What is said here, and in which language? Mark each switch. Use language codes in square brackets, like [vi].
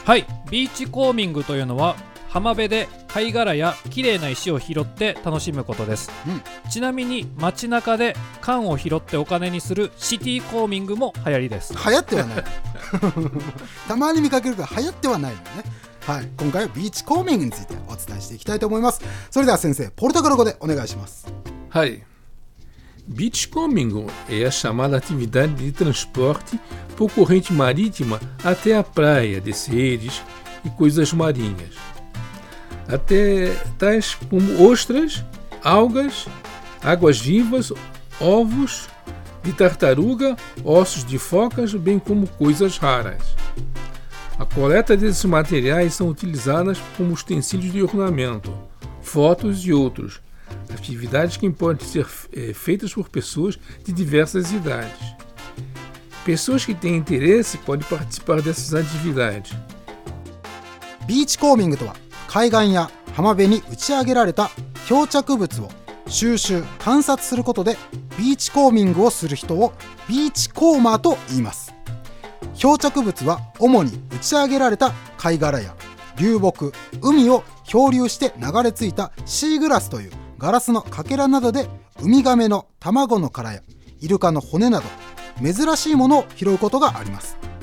[ja] はい、ビーチコーミングというのは浜辺で貝殻や綺麗な石を拾って楽しむことです、うん、ちなみに街中で缶を拾ってお金にするシティコーミングも流行りです。流行ってはないたまに見かけるけど流行ってはないよね。はい、今回はビーチコーミングについてお伝えしていきたいと思います。それでは先生、ポルトガル語でお願いします。はい、ビーチコーミングは [pt] chamada atividade de transporte por corrente marítima até a praia de seres e coisas marinhas, até tais como ostras, algas, águas vivas, ovos de tartaruga, ossos de focas, bem como coisas raras. A coleta desses materiais são utilizadas como utensílios de ornamento, fotos e outros. Atividades que podem ser feitas por pessoas de diversas idades. Pessoas que têm interesse podem participar dessas atividades. [ja] ビーチコーミングとは、海岸や浜辺に打ち上げられた漂着物を収集・観察することでビーチコーミングをする人をビーチコーマーと言います。漂着物は主に打ち上げられた貝殻や流木、海を漂流して流れ着いたシーグラスというガラスのかけらなどでウミガメの卵の殻やイルカの骨など珍しいものを拾うことがあります。